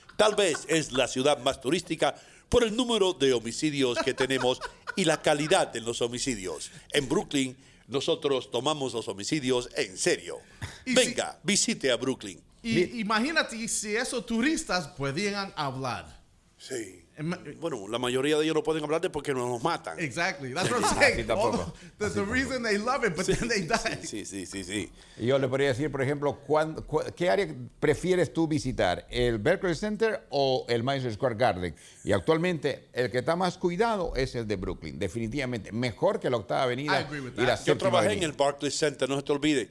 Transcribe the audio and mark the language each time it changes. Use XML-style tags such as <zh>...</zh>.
<es>Tal vez es la ciudad más turística por el número de homicidios que tenemos y la calidad de los homicidios. En Brooklyn, nosotros tomamos los homicidios en serio. Venga, visite a Brooklyn. Y imagínate si esos turistas pudieran hablar. Sí. Bueno, la mayoría de ellos no pueden hablar porque nos matan.</es> <en>Exactly. That's what I'm saying.</en> <es>Así tampoco.</es> <en>That's the reason they love it, but sí, then they die.</en> <es>Sí. Yo le podría decir, por ejemplo, ¿qué área prefieres tú visitar? ¿El Berkeley Center o el Madison Square Garden? Y actualmente, el que está más cuidado es el de Brooklyn. Definitivamente. Mejor que la Octava Avenida.</es> <en>I agree with that.</en> <es>Yo trabajé en el Barclays Center, no se te olvide.</es>